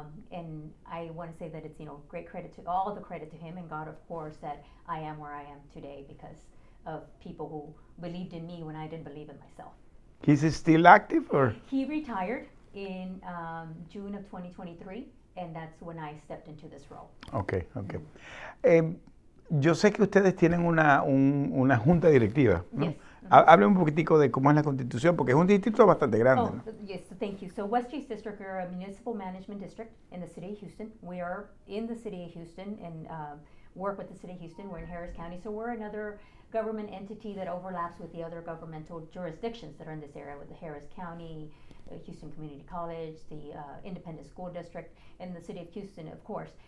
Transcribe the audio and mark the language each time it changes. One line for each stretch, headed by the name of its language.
English: And I want to say that it's, you know, great credit to all the credit to him and God, of course, that I am where I am today because of people who believed in me when I didn't believe in myself. He's still active or? He retired in June of 2023, and that's when I stepped into this role. Okay, okay.
Spanish: Yo sé que ustedes tienen una junta directiva, ¿no?
English: Yes.
Spanish: Hable un poquitico de cómo es la constitución, porque es un distrito bastante grande. Oh, ¿no?
English: Yes, thank you. So West Chase District, we're a municipal management district in the city of Houston. We are in the city of Houston and work with the city of Houston. We're in Harris County, so we're another government entity that overlaps with the other governmental jurisdictions that are in this area, with the Harris County, Houston Community College, the Independent School District, and the city of Houston, of course.